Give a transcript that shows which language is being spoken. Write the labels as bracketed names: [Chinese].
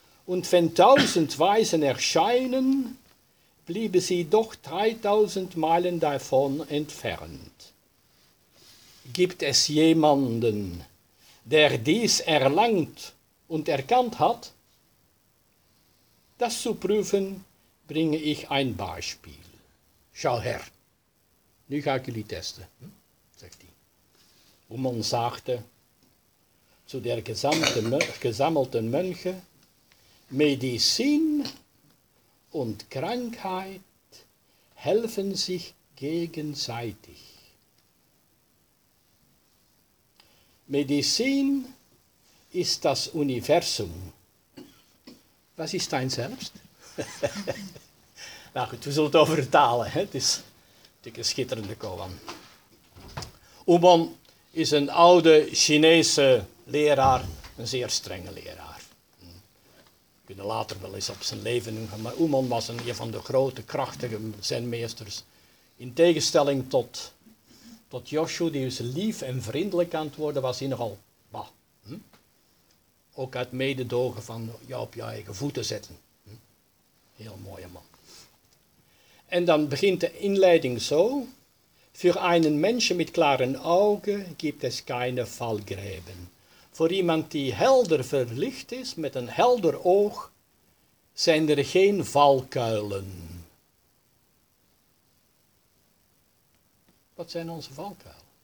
[German] Und wenn 1000 Weisen erscheinen, bliebe sie doch 3000 Meilen davon entfernt. Gibt es jemanden, der dies erlangt und erkannt hat? Das zu prüfen, bringe ich ein Beispiel. Schau her, [Dutch] nu ga ik jullie testen, zegt hij. [German] Oeman zaagde zu der gesammelten Mönche, Medizin und Krankheit helfen sich gegenseitig. Medizin ist das Universum. Was ist dein Selbst? [Dutch] Nou goed, we zullen het over vertalen. Het is natuurlijk een schitterende koan. Oeman is een oude Chinese leraar, een zeer strenge leraar. We kunnen later wel eens op zijn leven noemen, maar Oeman was een van de grote, krachtige zenmeesters. In tegenstelling tot Joshua, die dus lief en vriendelijk aan het worden was, hij nogal bah. Ook uit mededogen van jou op je eigen voeten zetten. Heel mooie man. En dan begint de inleiding zo. [German] Für einen Menschen mit klaren Augen gibt es keine Fallgräben. [Dutch] Voor iemand die helder verlicht is, met een helder oog, zijn er geen valkuilen. Wat zijn onze valkuilen?